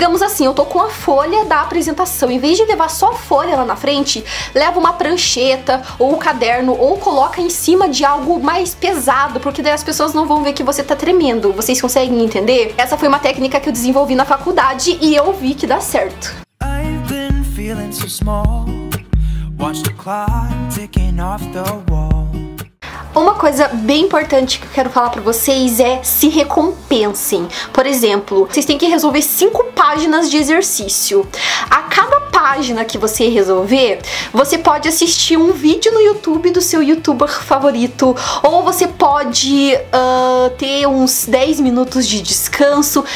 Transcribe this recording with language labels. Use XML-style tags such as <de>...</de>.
<pt>Digamos assim, eu tô com a folha da apresentação, em vez de levar só a folha lá na frente, leva uma prancheta ou um caderno, ou coloca em cima de algo mais pesado, porque daí as pessoas não vão ver que você tá tremendo. Vocês conseguem entender? Essa foi uma técnica que eu desenvolvi na faculdade, e eu vi que dá certo.</pt> <en>I've been feeling so small. Watch the clock ticking off the wall.</en> <pt>Uma coisa bem importante que eu quero falar pra vocês é se recompensem. Por exemplo, vocês têm que resolver 5 páginas de exercício. A cada página que você resolver, você pode assistir um vídeo no YouTube do seu youtuber favorito, ou você pode ter uns 10 minutos de descanso.</pt>